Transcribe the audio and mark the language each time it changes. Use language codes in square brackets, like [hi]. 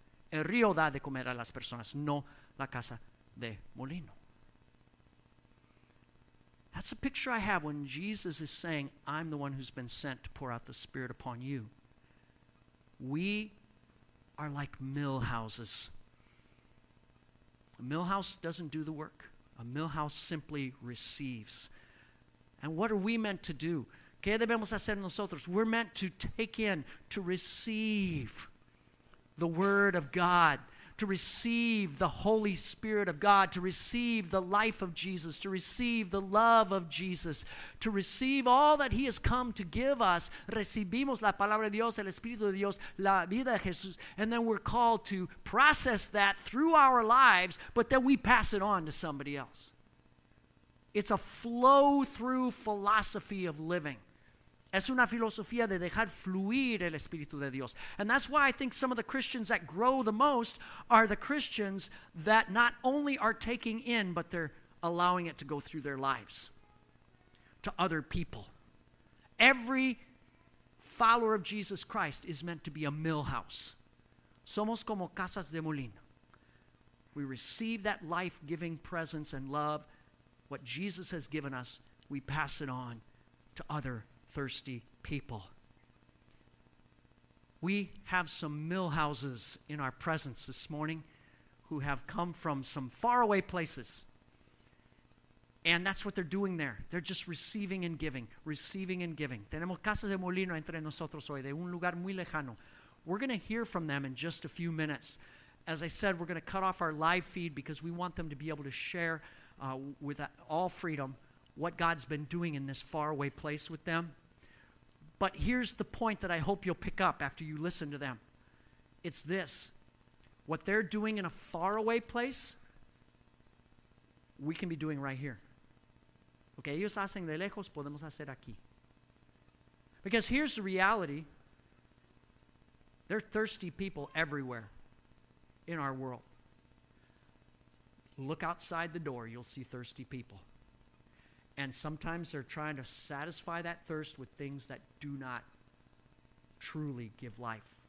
[es] El río da de comer a las personas, no la casa de molino. [en] That's a picture I have when Jesus is saying, I'm the one who's been sent to pour out the Spirit upon you. We are like mill houses. A mill house doesn't do the work. A mill house simply receives. And what are we meant to do? [es] ¿Qué debemos hacer nosotros? [en] We're meant to take in, to receive the Word of God, to receive the Holy Spirit of God, to receive the life of Jesus, to receive the love of Jesus, to receive all that He has come to give us. [es] Recibimos la palabra de Dios, el Espíritu de Dios, la vida de Jesús. [en] And then we're called to process that through our lives, but then we pass it on to somebody else. It's a flow-through philosophy of living. [es] Es una filosofía de dejar fluir el Espíritu de Dios. [en] And that's why I think some of the Christians that grow the most are the Christians that not only are taking in, but they're allowing it to go through their lives to other people. Every follower of Jesus Christ is meant to be a mill house. [es] Somos como casas de molino. [en] We receive that life-giving presence and love, what Jesus has given us, we pass it on to other people. Thirsty people. We have some mill houses in our presence this morning who have come from some faraway places. And that's what they're doing there. They're just receiving and giving, receiving and giving. [es] Tenemos casas de molino entre nosotros hoy, de un lugar muy lejano. [en] We're going to hear from them in just a few minutes. As I said, we're going to cut off our live feed because we want them to be able to share with all freedom what God's been doing in this faraway place with them. But here's the point that I hope you'll pick up after you listen to them. It's this. What they're doing in a faraway place, we can be doing right here. [es] Okay, ellos hacen de lejos, podemos hacer aquí. [en] Because here's the reality. There are thirsty people everywhere in our world. Look outside the door, you'll see thirsty people. And sometimes they're trying to satisfy that thirst with things that do not truly give life.